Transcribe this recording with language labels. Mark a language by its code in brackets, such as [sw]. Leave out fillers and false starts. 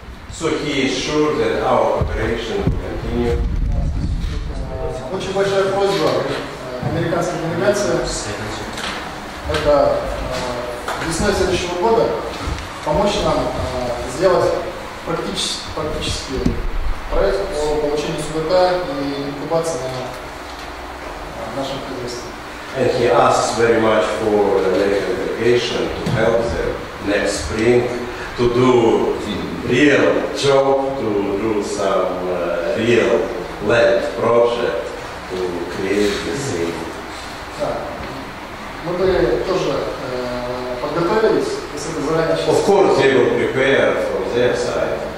[en] So he is sure that our cooperation will continue. [ru] Очень большая просьба. Американская делегация, это весной следующего года, помочь нам сделать практический проект по получению судака и инкубации на нашем хозяйстве. [en] And he asks very much for the American delegation to help them next spring to do real job, to do some real land project to create the same. [ru] Мы были тоже подготовились, если бы заранее сейчас... [en] Of course, they will prepare from their side.